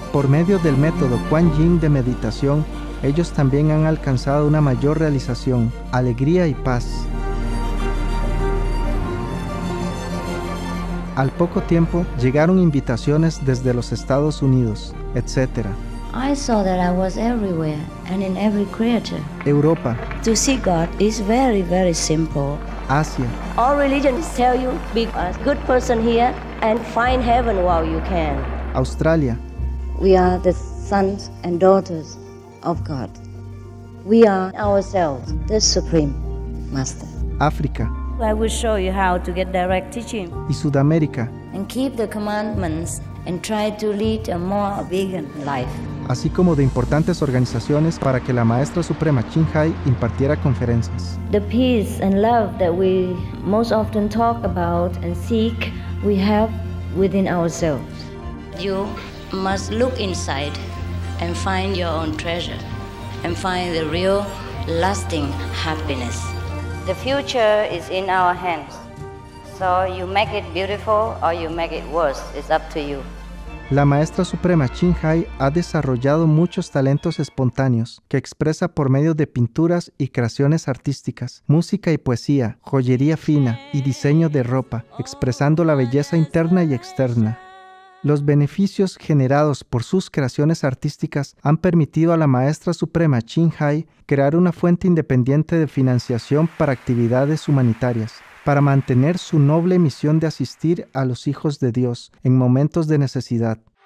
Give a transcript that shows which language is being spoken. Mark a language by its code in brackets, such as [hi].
[es] Por medio del método Quan Yin de meditación, ellos también han alcanzado una mayor realización, alegría y paz. Al poco tiempo, llegaron invitaciones desde los Estados Unidos, etc. [en] I saw that I was everywhere and in every creature. [es] Europa. [en] To see God is very, very simple. [es] Asia. [en] All religions tell you be a good person here and find heaven while you can. [es] Australia. [en] We are the sons and daughters of God. We are ourselves the Supreme Master. Africa. I will show you how to get direct teaching. [es] Y Sudamérica. [en] And keep the commandments and try to lead a more vegan life. [es] Así como de importantes organizaciones para que la Maestra Suprema Ching Hai impartiera conferencias. [en] The peace and love that we most often talk about and seek, we have within ourselves. You must look inside and find your own treasure and find the real lasting happiness. The future is in our hands. So you make it beautiful or you make it worse, it's up to you. [es] La Maestra Suprema Ching Hai ha desarrollado muchos talentos espontáneos que expresa por medio de pinturas y creaciones artísticas, música y poesía, joyería fina y diseño de ropa, expresando la belleza interna y externa. Los beneficios generados por sus creaciones artísticas han permitido a la Maestra Suprema Ching Hai crear una fuente independiente de financiación para actividades humanitarias, para mantener su noble misión de asistir a los hijos de Dios en momentos de necesidad.